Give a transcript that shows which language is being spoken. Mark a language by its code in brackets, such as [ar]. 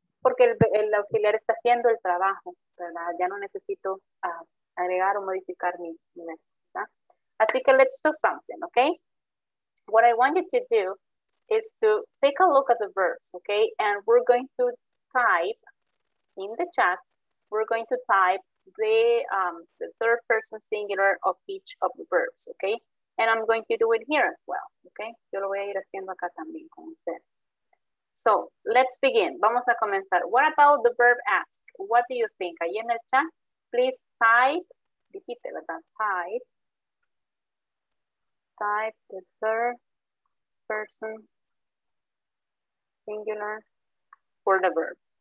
[es] Porque el auxiliar está haciendo el trabajo, ¿verdad? Ya no necesito agregar o modificar mi verbo, ¿verdad? Así que [en] let's do something, okay? What I want you to do is to take a look at the verbs, okay? And we're going to type in the chat, we're going to type the third person singular of each of the verbs, okay? And I'm going to do it here as well, okay? [es] Yo lo voy a ir haciendo acá también con ustedes. [en] So, let's begin. [es] Vamos a comenzar. [en] What about the verb ask? What do you think? [es] Ahí en el chat, [en] please type, [es] dijiste, ¿verdad? [en] Type the third person singular for the verb.